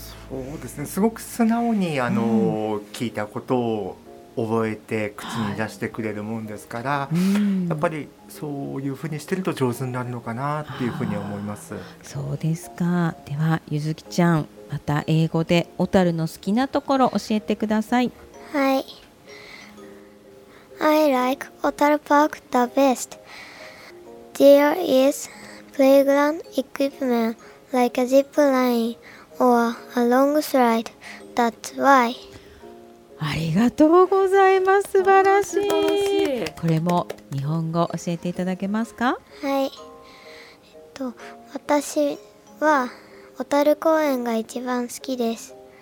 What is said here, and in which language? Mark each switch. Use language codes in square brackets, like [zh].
[ja] そうですね、すごく素直にあの、うん、聞いたことを覚えて口に出してくれるもんですから、はい、うん、やっぱりそういうふうにしてると上手になるのかなっていうふうに思います。そうですか。ではゆずきちゃん、また英語で小樽の好きなところ教えてください。はい。 [en] I like 小樽 park the best. There is playground equipmentLike a zip line or a long slide. That's why. [ja] ありがとうございます。素晴らしい。これも日本語教えていただけますか？はい、私は小樽公園が一番好きです。